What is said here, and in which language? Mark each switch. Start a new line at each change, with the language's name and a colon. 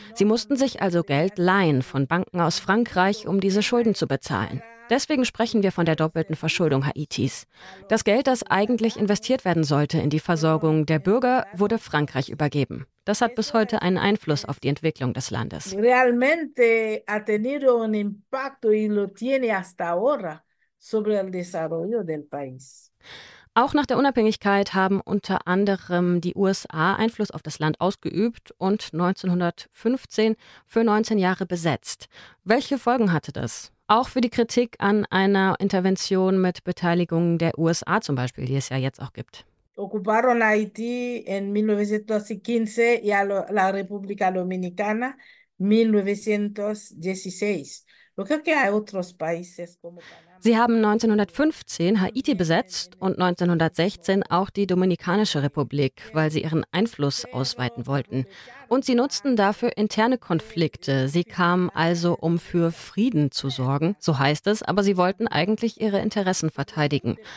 German: Sie mussten sich also Geld leihen von Banken aus Frankreich, um diese Schulden zu bezahlen. Deswegen sprechen wir von der doppelten Verschuldung Haitis. Das Geld, das eigentlich investiert werden sollte in die Versorgung der Bürger, wurde Frankreich übergeben. Das hat bis heute einen Einfluss auf die Entwicklung des Landes.
Spanish: Realmente ha tenido un impacto y lo tiene hasta ahora sobre el desarrollo del país.
German: Auch nach der Unabhängigkeit haben unter anderem die USA Einfluss auf das Land ausgeübt und 1915 für 19 Jahre besetzt. Welche Folgen hatte das? Auch für die Kritik an einer Intervention mit Beteiligung der USA zum Beispiel, die es ja jetzt auch gibt.
Spanish: Ocuparon Haití en 1915 y a la República Dominicana 1916. Lo que hay otros países como Panamá.
German: Sie haben 1915 Haiti besetzt und 1916 auch die Dominikanische Republik, weil sie ihren Einfluss ausweiten wollten. Und sie nutzten dafür interne Konflikte. Sie kamen also, um für Frieden zu sorgen, so heißt es, aber sie wollten eigentlich ihre Interessen verteidigen.